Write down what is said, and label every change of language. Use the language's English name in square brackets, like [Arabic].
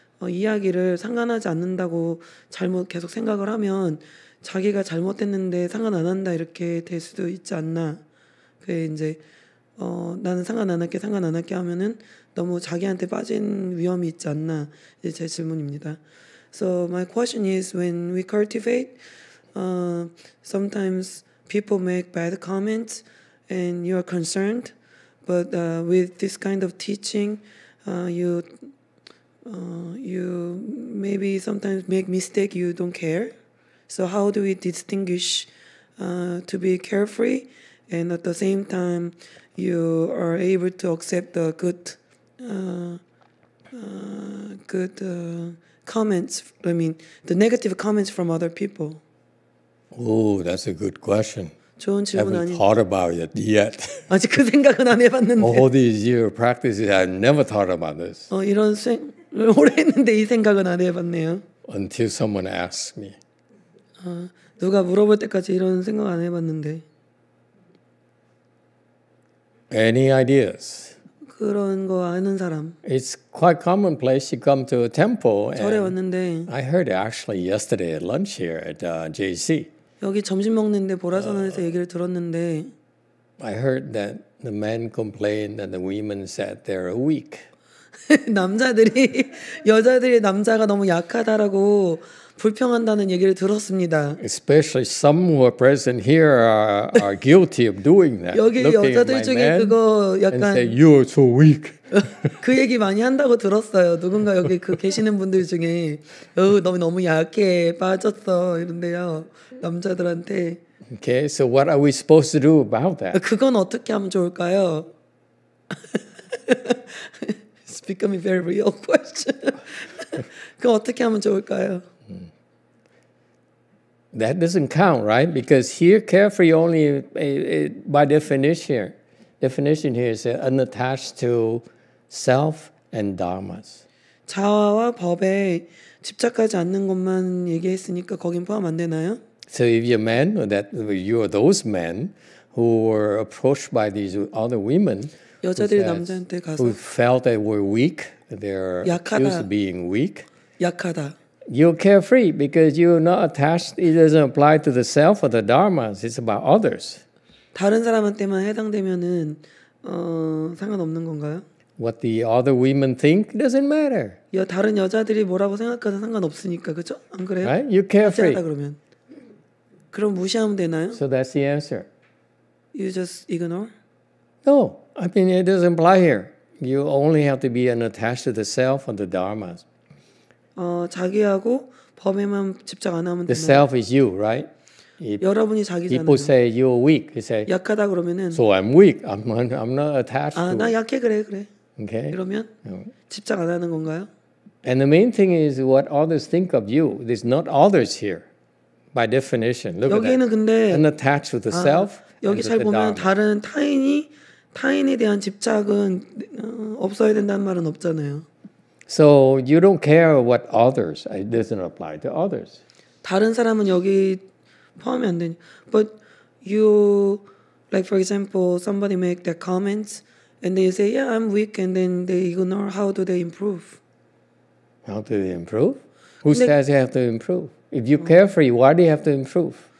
[Korean] 이야기를 상관하지 않는다고 잘못 계속 생각을 하면 자기가 잘못했는데 상관 안 한다 이렇게 될 수도 있지 않나. 그 이제 나는 상관 안 할게 상관 안 할게 하면은 너무 자기한테 빠진 위험이 있지 않나. 이제 제 질문입니다. [English] So my question is, when we cultivate, sometimes people make bad comments and you are concerned, but with this kind of teaching, you maybe sometimes make mistake, you don't care. So how do we distinguish to be carefree and at the same time you are able to accept the good comments, I mean the negative comments from other people? Oh, that's a good question. [Korean] 좋은 질문 아니에요. [English] Haven't thought about it yet. [Korean] 아직 그 생각은 안 해봤는데. [English] All these years of practice, I never thought about this. [Korean] 이런 생 오래 했는데 이 생각은 안 해봤네요. [English] Until someone asked me. [Korean] 누가 물어볼 때까지 이런 생각 안 해봤는데. [English] Any ideas? [Korean] 그런 거 아는 사람. [English] It's quite commonplace. You come to a temple. [Korean] 절에 왔는데. [English] I heard it actually yesterday at lunch here at JC. [Korean] 여기 점심 먹는데 보라선에서 얘기를 들었는데. [English] I heard that the men complained and the women said they're weak. [Korean] 남자들이 여자들이 남자가 너무 약하다라고 불평한다는 얘기를 들었습니다. [English] Especially some who are present here are guilty of doing that. [Korean] 여기 여자들 중에 그거 약간 [English] and say you are so weak. [Korean] 그 얘기 많이 한다고 들었어요. 누군가 여기 그 계시는 분들 중에 너무 너무 약해 빠졌어 이런데요. 남자들한테. [English] Okay, so what are we supposed to do about that? [Korean] 그건 어떻게 하면 좋을까요? [English] It's becoming a very real question. [Korean] 그건 어떻게 하면 좋을까요? [English] That doesn't count, right? Because here, carefree only by definition. Definition here is unattached to self and dharmas. [Korean] 자아와 법에 집착하지 않는 것만 얘기했으니까 거긴 포함 안 되나요? [English] So if you're men, that you are those men who were approached by these other women, [Korean] 여자들이 남자한테 가서 [English] who felt they were weak, they're [Korean] 약하다. [English] Accused of being weak. [Korean] 약하다. [English] You're carefree because you're not attached. It doesn't apply to the self or the dharmas. It's about others. [Korean] 다른 사람한테만 해당되면은 상관없는 건가요? [English] What the other women think doesn't matter. [Korean] 다른 여자들이 뭐라고 생각해도 상관없으니까 그죠? 안 그래요? [English] Right? You're carefree. [Korean] 하지 않다 그러면. 그럼 무시하면 되나요? [English] So that's the answer. You just ignore? No, I mean it doesn't apply here. You only have to be unattached to the self and the dharmas. [Korean] 자기하고 법에만 집착 안 하면 되나요? [English] The self is you, right? [Korean] 여러분이 자기잖아요. [English] People say you're weak. You say [Korean] 약하다 그러면은. [English] So I'm weak. I'm not attached. [Korean] 나 약해 그래. [English] Okay. [Korean] 그러면 집착 안 하는 건가요? [English] And the main thing is what others think of you. There's not others here. By definition, look at that. [Korean] 근데, [English] unattached with the self. [Korean] 여기 잘 보면 [English] dharma. [Korean] 다른 타인에 대한 집착은 없어야 된다는 말은 없잖아요. [English] So you don't care what others. It doesn't apply to others. [Korean] 다른 사람은 여기 포함이 안 되니. [English] But you, like for example, somebody make their comments, and then you say, "Yeah, I'm weak," and then they ignore. How do they improve? How do they improve? Who [Korean] 근데, [English] says they have to improve? If you're carefree, why do you have to improve?